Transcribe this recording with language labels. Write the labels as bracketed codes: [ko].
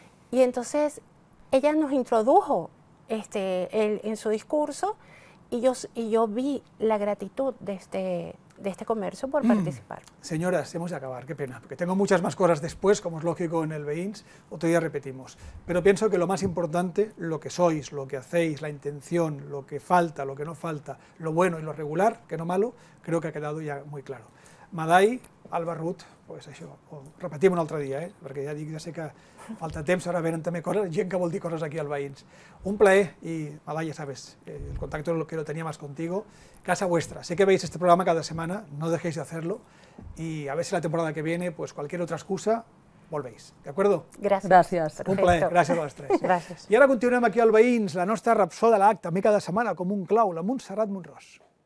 [es] Y entonces ella nos introdujo en su discurso y yo vi la gratitud de este comercio por participar. Señoras, hemos de acabar, qué pena, porque tengo muchas más cosas después, como es lógico en el Beins, otro día repetimos. Pero pienso que lo más importante, lo que sois, lo que hacéis, la intención, lo que falta, lo que no falta, lo bueno y lo regular, que no malo, creo que ha quedado ya muy claro. [ca] Madai, Alba Ruth, pues això, ho repetim un altre dia, perquè ja dic, ja sé que falta temps, ara venen també coses, gent que vol dir coses aquí al Veïns. Un plaer, i Madai, ja sabes, el contacte és el que [es] lo tenia más contigo, casa vuestra. Sé que veis este programa cada setmana, no dejéis de hacerlo, i a ver si la temporada que viene, pues cualquier otra excusa, volvéis, d'acuerdo? [ca] Gràcies. Un plaer, gràcies a les tres. Gràcies. I ara continuem aquí al Veïns, la nostra rapsó de l'acte, també cada setmana, com un clau, la Montserrat Monròs.